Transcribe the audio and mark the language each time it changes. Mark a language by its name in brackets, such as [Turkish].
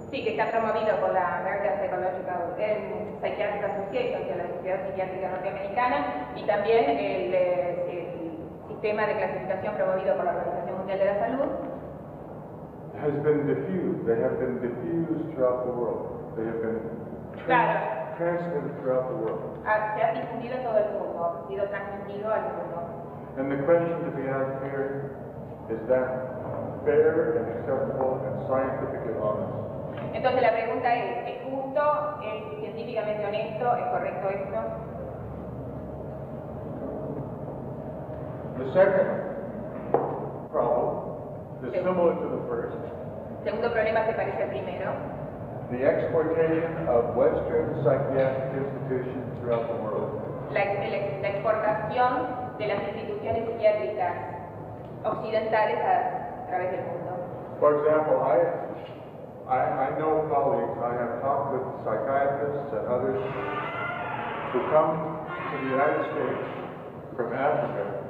[Spanish] Sí, que está promovido por la American Psychiatric Association, que es la Sociedad Psiquiátrica Norteamericana, y también el sistema de clasificación promovido por la Organización Mundial de la Salud. [English] Has been diffused. They have been diffused throughout the world. They have been transmitted throughout the world. [Spanish] Se ha difundido todo el mundo, ha sido transmitido al mundo. [English] And the question to be asked here is that fair and acceptable and scientifically honest. [Spanish] Entonces la pregunta es justo, es científicamente honesto, es correcto esto. [English] The second problem is similar to the first. [Spanish] Segundo problema se parece al primero. [English] The exportation of Western psychiatric institutions throughout the world. [Spanish] La exportación de las instituciones psiquiátricas occidentales a través del mundo. [English] For example, I know colleagues, I have talked with psychiatrists and others who come to the United States from Africa